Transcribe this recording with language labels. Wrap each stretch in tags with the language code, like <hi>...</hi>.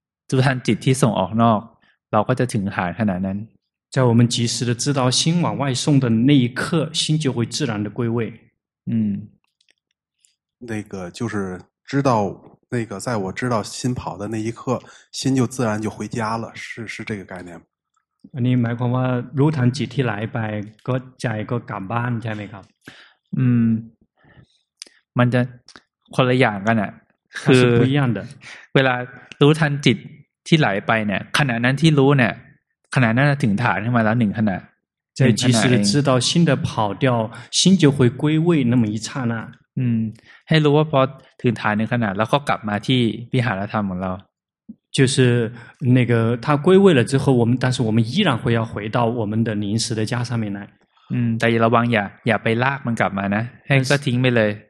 <th>รู้ทันจิตที่ส่งออกนอกเราก็จะถึงฐานขนาดนั้น</th> <zh>在我们及时的知道心往外送的那一刻心就会自然的归位那个就是知道那个在我知道心跑的那一刻心就自然就回家了是这个概念吗你买过吗</zh> <th>รู้ทันจิตที่ไหลไปก็ใจก็กลับบ้านใช่ไหมครับ มันจะคนละอย่างกันน่ะคือ เป็นอย่างเดีย วเวลารู้ทันจิตที่ไหลไปเนี่ยขณะนั้นที่รู้เนี่ยขณะนั้นถึงฐานขึ้นมาแล้ว1ขณะ</th> <zh>ใจ及时的知道心的跑掉心就会归位那么一刹那</zh> <th>ให้รู้ว่าพอถึงฐาน1ขณะแล้วก็กลับมาที่วิหารธรรมของเรา</th> <zh>就是那个他归位了之后但是我们依然会要回到我们的临时的家上面来</zh> <th>แต่ระวังอย่าไปลากมันกลับมานะให้ก็ทิ้งไปเลย</th>